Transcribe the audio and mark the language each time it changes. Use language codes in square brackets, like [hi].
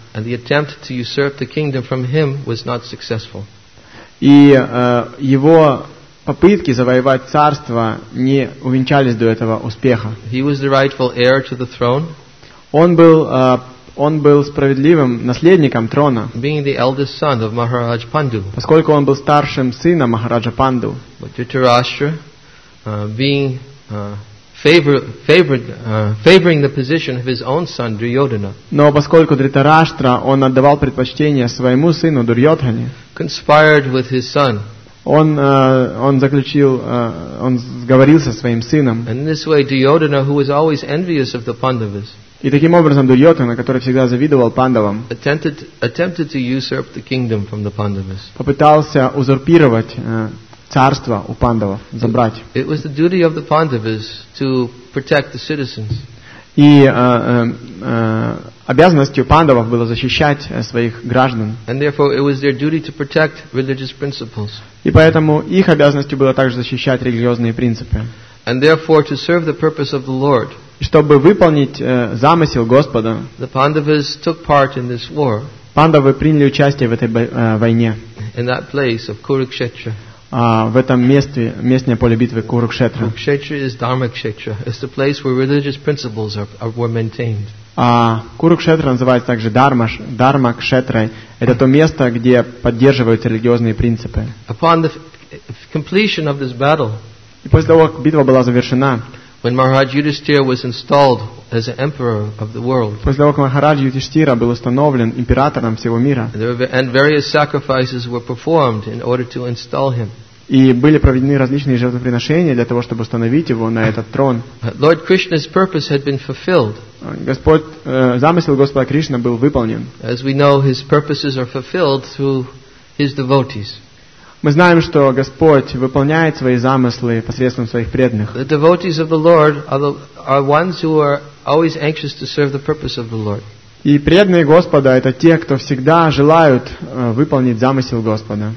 [en] And the attempt to usurp the kingdom from him was not successful. [ru] И его попытки завоевать царство не увенчались до этого успеха. [en] He was the rightful heir to the throne. [ru] Он был справедливым наследником трона. [en] Being the eldest son of Maharaj Pandu. [ru] Поскольку он был старшим сыном Махараджа Панду. [en] But Dhritarashtra, favoring the position of his own son Duryodhana. [ru] Но поскольку Дритараштра он отдавал предпочтение своему сыну Дурьотхане. [en] Conspired with his son. [ru] Он сговорил со своим сыном. [en] And in this way, Duryodhana, who was always envious of the Pandavas. [ru] И таким образом Дурьотхана, который всегда завидовал Пандавам, [en] attempted to usurp the kingdom from the Pandavas. [ru] Попытался узурпировать царство у Пандавов, забрать. [en] It was the duty of the Pandavas to protect the citizens. [ru] И обязанностью Пандавов было защищать своих граждан. [en] And therefore it was their duty to protect religious principles. [ru] И поэтому их обязанностью было также защищать религиозные принципы. [en] And therefore to serve the purpose of the Lord. [ru] И чтобы выполнить замысел Господа, [en] the Pandavas took part in this war. [ru] Пандавы приняли участие в этой войне. [en] In that place of Kurukshetra. [ru] В этом месте, местное поле битвы Курукшетра. [en] Kurukshetra is Dharmakshetra. It's the place where religious principles were maintained. [ru] Курукшетра называется также Дармакшетрой. Это то место, где поддерживаются религиозные принципы. [en] Upon the completion of this battle, [ru] и после того, как битва была завершена, [en] when Maharaj Yudhishthira was installed as an emperor of the world, [ru] после того, как Махарадж Юдхиштхира был установлен императором всего мира, [en] and various sacrifices were performed in order to install him, [ru] и были проведены различные жертвоприношения для того, чтобы установить его на этот трон. [en] Lord Krishna's purpose had been fulfilled. [ru] Замысел Господа Кришны был выполнен. [en] As we know, his purposes are fulfilled through his devotees. [ru] Мы знаем, что Господь выполняет свои замыслы посредством своих преданных. [en] The devotees of the Lord are ones who are always anxious to serve the purpose of the Lord. [ru] И преданные Господа это те, кто всегда желают выполнить замысел Господа.